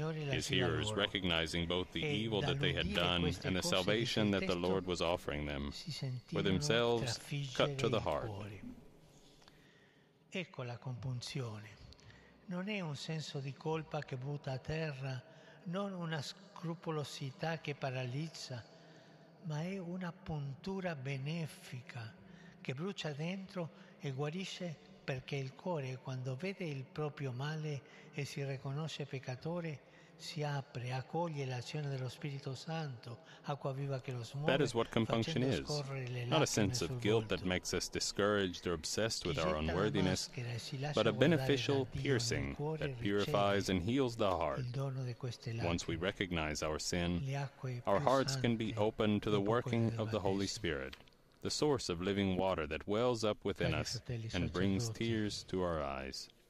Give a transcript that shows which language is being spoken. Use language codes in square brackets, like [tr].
[en] His hearers, recognizing both the evil that they had done and the salvation that the Lord was offering them, were themselves cut to the heart. [it] Ecco la compunzione. Non è un senso di colpa che butta a terra, non una scrupolosità che paralizza, ma è una puntura benefica che brucia dentro e guarisce perché il cuore, quando vede il proprio male e si riconosce peccatore, si apre, accoglie l'azione dello Spirito Santo, acqua viva che lo smuove. [en] That is what compunction is. Not a sense of guilt that makes us discouraged or obsessed with our unworthiness, but a beneficial piercing that purifies and heals the heart. Once we recognize our sin, our hearts can be open to the working of the Holy Spirit, the source of living water that wells up within us and brings tears to our eyes.